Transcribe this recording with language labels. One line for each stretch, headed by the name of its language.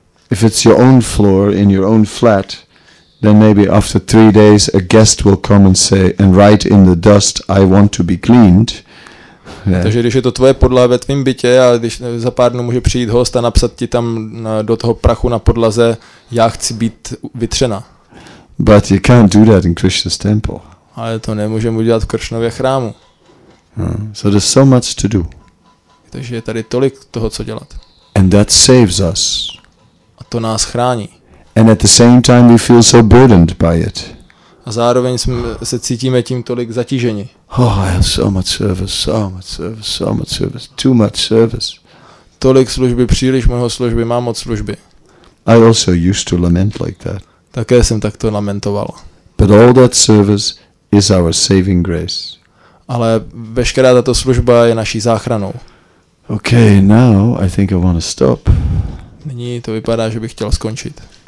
English: If it's your own floor in your own flat, then maybe after 3 days a guest will come and say and write in the dust, "I want to be cleaned." Yeah.
Czech: Takže když je to tvoje podlaha ve tvém bytě a když za pár dnů může přijít host a napsat ti tam do toho prachu na podlaze, já chci být vytřena.
English: But you can't do that in Krishna's temple.
Czech: Ale to nemůžeme udělat v Kršnově chrámu.
English: So there's so much to do.
Czech: Takže je tady tolik toho, co dělat.
English: And that saves us.
Czech: A to nás chrání.
English: And at the same time we feel so burdened by it.
Czech: A zároveň se cítíme tím tolik zatíženi.
English: Oh, I have so much service, so much service, so much service, too much service.
Czech: Tolik služby, příliš mnoho služby, mám moc služby.
English: I also used to lament like that.
Czech: Také jsem takto lamentoval.
English: But all that service is our saving grace.
Czech: Ale veškerá tato služba je naší záchranou.
English: Okay, now I think I want to stop.
Czech: Nyní to vypadá, že bych chtěl skončit.